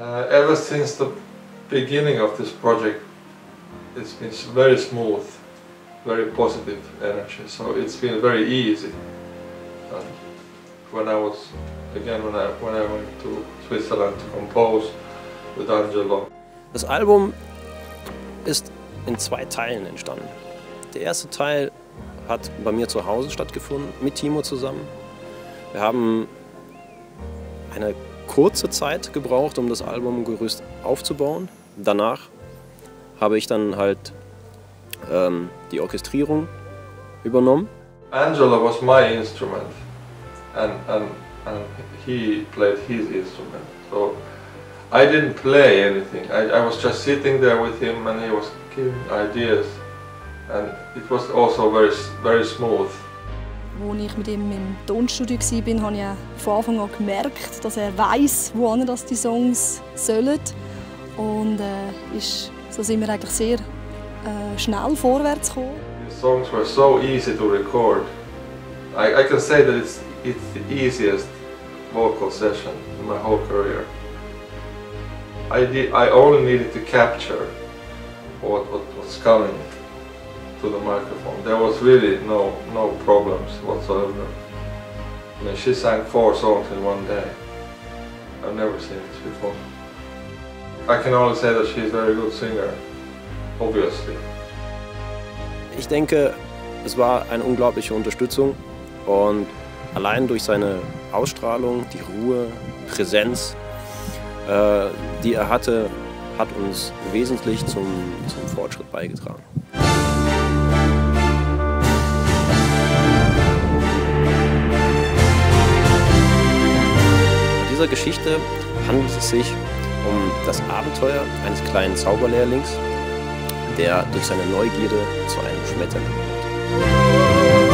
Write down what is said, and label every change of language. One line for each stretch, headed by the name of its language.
English: Ever since the beginning of this project, it's been very smooth, very positive energy. So it's been very easy. When I went to Switzerland to compose with Angelo.
German: Das Album ist in 2 Teilen entstanden. Der erste Teil hat bei mir zu Hause stattgefunden, mit Timo zusammen. Wir haben eine kurze Zeit gebraucht, um das Albumgerüst aufzubauen. Danach habe ich dann halt die Orchestrierung übernommen.
English: Angelo was my instrument and he played his instrument. So I didn't play anything. I was just sitting there with him and he was giving ideas. And it was also very, very smooth.
German: Als ich mit ihm im Tonstudio war, habe ich ja von Anfang an gemerkt, dass er weiss, wohin die Songs sollen. Und so sind wir eigentlich sehr schnell vorwärts gekommen. Die Songs waren so
English: easy to record. I can say that it's the easiest vocal session in my whole career. I only needed to capture what was coming to the microphone. There was really no problems whatsoever. I mean, she sang 4 songs in one day. I've never seen this before. I can only say that she's a very good singer, obviously.
German: Ich denke, es war eine unglaubliche Unterstützung, und allein durch seine Ausstrahlung, die Ruhe, Präsenz, die er hatte, hat uns wesentlich zum Fortschritt beigetragen. In dieser Geschichte handelt es sich um das Abenteuer eines kleinen Zauberlehrlings, der durch seine Neugierde zu einem Schmetterling wird.